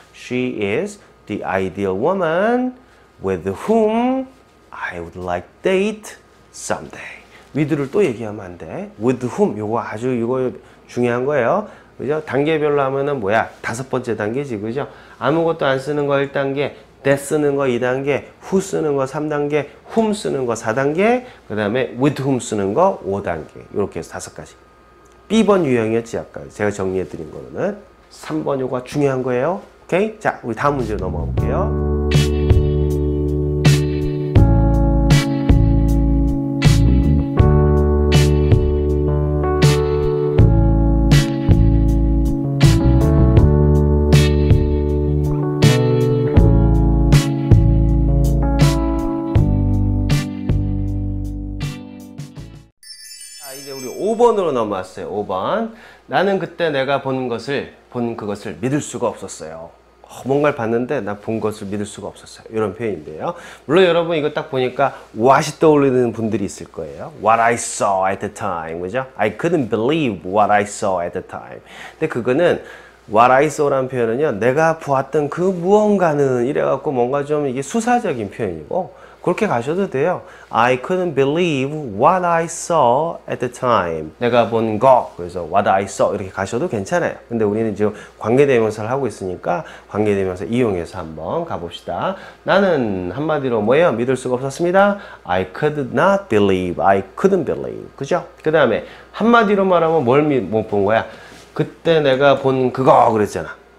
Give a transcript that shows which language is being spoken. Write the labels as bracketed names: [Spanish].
[English] She is the ideal woman with whom I would like date someday. [Korean] with를 또 얘기하면 안 돼. [English] with whom. [Korean] 요거 아주 이거 중요한 거예요. 그죠? 단계별로 하면은 뭐야? 다섯 번째 단계지. 그죠? 아무것도 안 쓰는 거 1단계, that 쓰는 거 2단계, who 쓰는 거 3단계, whom 쓰는 거 4단계, 그 다음에 with whom 쓰는 거 5단계. 이렇게 해서 다섯 가지. B번 유형이었지, 아까. 제가 정리해드린 거는. 3번 요거 중요한 거예요. 오케이? 자, 우리 다음 문제로 넘어가 볼게요. 5번으로 넘어왔어요. 5번. 나는 그때 내가 본 그것을 믿을 수가 없었어요. 뭔가를 봤는데 나 본 것을 믿을 수가 없었어요. 이런 표현인데요. 물론 여러분 이거 딱 보니까 what이 떠올리는 분들이 있을 거예요. [English] What I saw at the time. [Korean] 그죠? [English] I couldn't believe what I saw at the time. [Korean] 근데 그거는 [English] what I saw [Korean] 라는 표현은요. 내가 보았던 그 무언가는 이래갖고 뭔가 좀 이게 수사적인 표현이고 그렇게 가셔도 돼요. [English] I couldn't believe what I saw at the time. [Korean] 내가 본 거. 그래서 [English] what I saw [Korean] 이렇게 가셔도 괜찮아요. 근데 우리는 지금 관계대명사를 하고 있으니까 관계대명사 이용해서 한번 가봅시다. 나는 한마디로 뭐예요? 믿을 수가 없었습니다. [English] I could not believe. I couldn't believe. [Korean] 그죠? 그 다음에 한마디로 말하면 뭘 못 본 거야? 그때 내가 본 그거 그랬잖아.